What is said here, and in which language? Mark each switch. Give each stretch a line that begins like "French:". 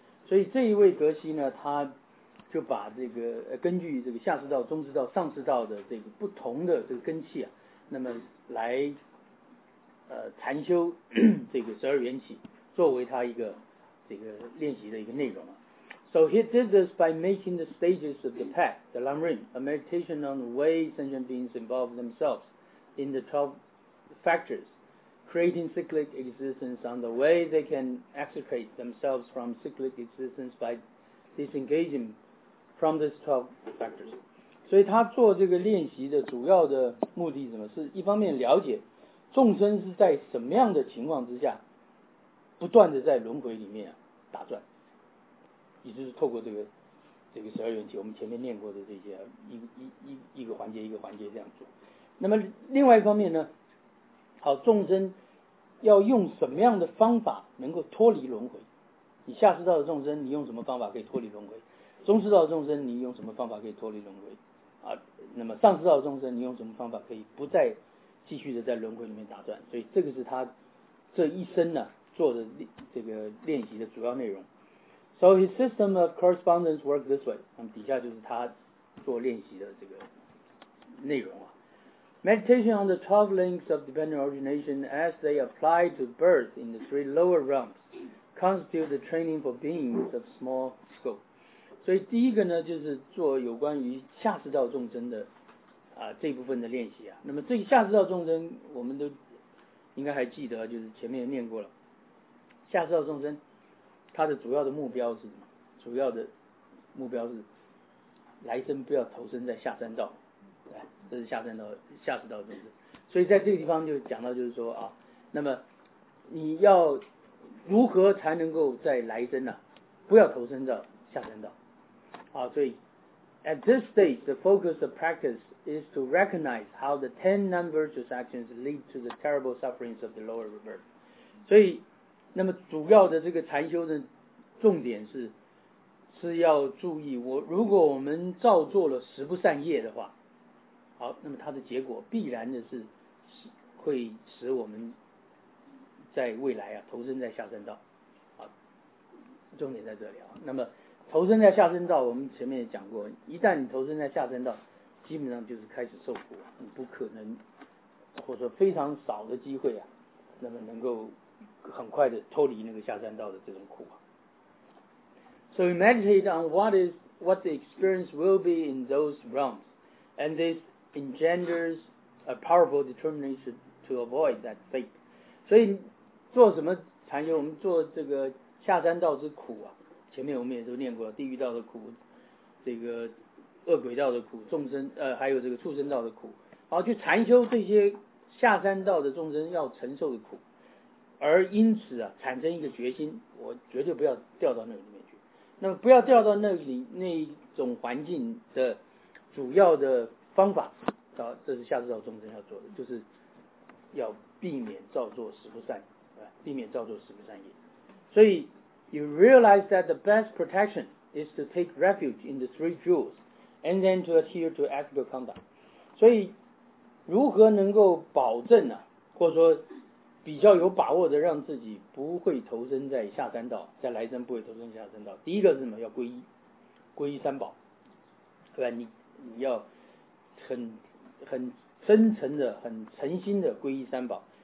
Chinese: 所以这一位格西呢，他就把这个根据这个下士道、中士道、上士道的这个不同的这个根器啊，那么来禅修这个十二缘起，作为他一个这个练习的一个内容啊。
English: So he did this by making the stages of the path, the Lam Rim, a meditation on the way sentient beings involve themselves in the 12 factors, creating cyclic existence on the way they can extricate themselves from cyclic existence by disengaging. From these 12 factors，
Chinese: 所以他做这个练习的主要的目的是什么？是一方面了解众生是在什么样的情况之下，不断的在轮回里面、啊、打转，也就是透过这个十二缘起，我们前面念过的这些、啊、一个环节一个环节这样做。那么另外一方面呢，好，众生要用什么样的方法能够脱离轮回？你下士道的众生，你用什么方法可以脱离轮回？中士道的众生，你用什么方法可以脱离轮回啊？那么上士道的众生，你用什么方法可以不再继续的在轮回里面打转？所以这个是他这一生呢、啊、做的这个练习的主要内容。
English: So his system of correspondence works this way。
Chinese: 那么底下就是他做练习的这个内容啊。
English: Meditation on the 12 links of dependent origination as they apply to birth in the three lower realms constitute the training for beings of small scope。
Chinese: 所以第一个呢，就是做有关于下士道众生的这部分的练习啊。那么这个下士道众生，我们都应该还记得，就是前面念过了。下士道众生，他的主要的目标是什么？主要的目标是来生不要投身在下三道，对，这是下三道下士道众生。所以在这个地方就讲到，就是说啊，那么你要如何才能够在来生呢、啊，不要投身到下三道？所以
English: at this stage, the focus of practice is to recognize how the 10 non-virtuous actions lead to the terrible sufferings of the lower birth.
Chinese: 所以那么主要的这个禅修的重点是要注意，如果我们造作了十不善业的话，好，那么它的结果必然的是会使我们在未来啊投身在下三道。好，重点在这里啊。那么投身在下生道，我们前面也讲过，一旦你投身在下生道，基本上就是开始受苦，你不可能，或者说非常少的机会啊，那么能够很快的脱离那个下三道的这种苦。
English: So we meditate on what the experience will be in those realms, and this engenders a powerful determination to avoid that fate.
Chinese: 所以做什么禅修？我们做这个下三道之苦啊。前面我们也都念过了，地狱道的苦，这个恶鬼道的苦，众生还有这个畜生道的苦，好去禅修这些下三道的众生要承受的苦，而因此啊产生一个决心，我绝对不要掉到那里面去。那么不要掉到那里那一种环境的主要的方法，好，这是下三道众生要做的，就是要避免造作十不善，避免造作十不善业。所以
English: You realize that the best protection is to take refuge in the three jewels and then to adhere to ethical conduct.
Chinese: 所以如何能够保证啊，或者说比较有把握的让自己不会投身在下三道，在来生不会投身下三道，第一个是什么？要皈依，皈依三宝，对吧？你要很真诚的，很诚心的皈依三宝。